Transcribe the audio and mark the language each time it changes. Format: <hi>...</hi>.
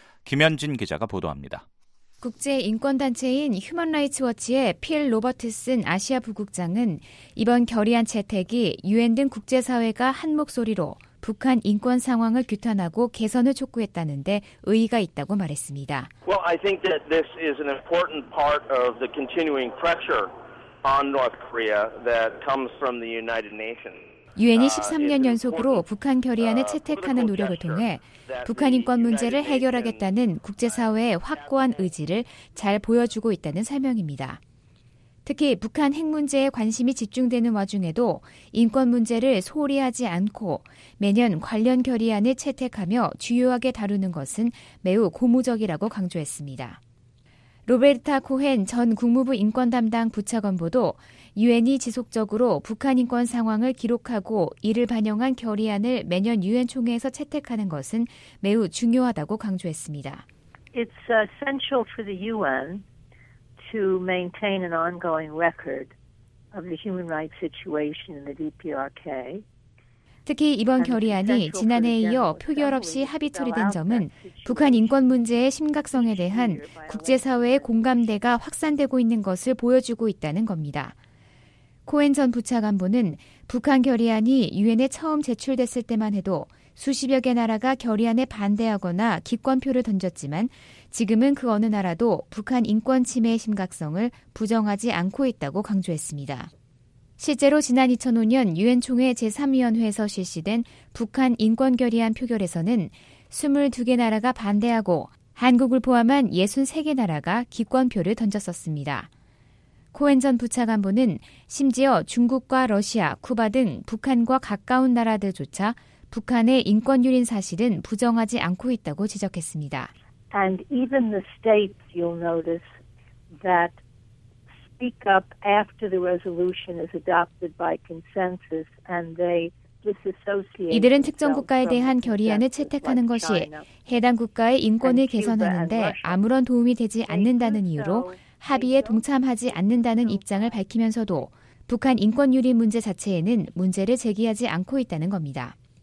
<ko>김현진 기자가 보도합니다. 국제인권단체인 휴먼라이츠워치의 필 로버트슨 아시아 부국장은 이번 결의안 채택이 유엔 등 국제사회가 한 목소리로 북한 인권 상황을 규탄하고 개선을 촉구했다는 데 의의가 있다고 말했습니다.</ko> <en>Well, I think that this is an important part of the continuing pressure on North Korea that comes from the United Nations.</en> <ko>유엔이 13년 연속으로 북한 결의안을 채택하는 노력을 통해 북한 인권 문제를 해결하겠다는 국제사회의 확고한 의지를 잘 보여주고 있다는 설명입니다. 특히 북한 핵 문제에 관심이 집중되는 와중에도 인권 문제를 소홀히 하지 않고 매년 관련 결의안을 채택하며 주요하게 다루는 것은 매우 고무적이라고 강조했습니다. 로베르타 코헨 전 국무부 인권 담당 부차관보도 유엔이 지속적으로 북한 인권 상황을 기록하고 이를 반영한 결의안을 매년 유엔 총회에서 채택하는 것은 매우 중요하다고 강조했습니다.</ko> <en>It's essential for the UN to maintain an ongoing record of the human rights situation in the DPRK.</en> <ko>특히 이번 결의안이 지난해에 이어 표결 없이 합의 처리된 점은 북한 인권 문제의 심각성에 대한 국제사회의 공감대가 확산되고 있는 것을 보여주고 있다는 겁니다. 코헨 전 부차관보는 북한 결의안이 유엔에 처음 제출됐을 때만 해도 수십여 개 나라가 결의안에 반대하거나 기권표를 던졌지만 지금은 그 어느 나라도 북한 인권 침해의 심각성을 부정하지 않고 있다고 강조했습니다. 실제로 지난 2005년 유엔 총회 제3위원회에서 실시된 북한 인권 결의안 표결에서는 22개 나라가 반대하고 한국을 포함한 63개 나라가 기권표를 던졌었습니다. 코헨 전 부차관보는 심지어 중국과 러시아, 쿠바 등 북한과 가까운 나라들조차 북한의 인권 유린 사실은 부정하지 않고 있다고 지적했습니다.</ko> <en>And even the states you'll notice that speak up after the resolution is adopted by consensus and they</en> <ko>이들은 특정 국가에 대한 결의안을 채택하는 것이 해당 국가의 인권을 개선하는데 아무런 도움이 되지 않는다는 이유로 합의에 동참하지 않는다는 입장을 밝히면서도 북한 인권 유린 문제 자체에는 문제를 제기하지 않고 있다는 겁니다.</ko>